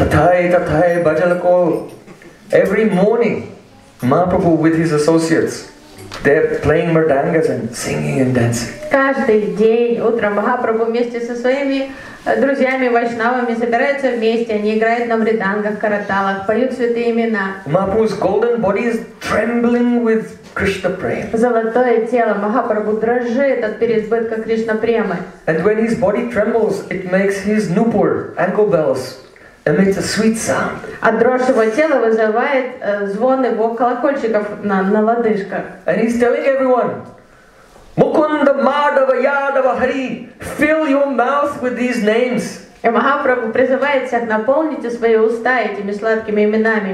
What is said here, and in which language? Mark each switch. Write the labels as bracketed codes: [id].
[en] Bhajan ko every morning, Mahaprabhu with his associates, they're playing mridangas and singing and dancing. [ru] Каждый день утром Махапрабху вместе со своими друзьями вайшнавами собираются вместе, они играют на мридангах, караталах, поют святые имена. [en] Mahaprabhu's golden body is trembling with Krishna prema. [ru] Золотое тело Махапрабху дрожит от переизбытка Кришна премы. [en] And when his body trembles, it makes his nupur, ankle bells. And it's a sweet sound. [ru] А дрожь его тела вызывает звон его колокольчиков на лодыжках. [en] And he's telling everyone, Mukunda Madhava Yadava Hari, fill your mouth with these names. [ru] И Махапрабху призывает всех, наполните свои уста этими сладкими именами.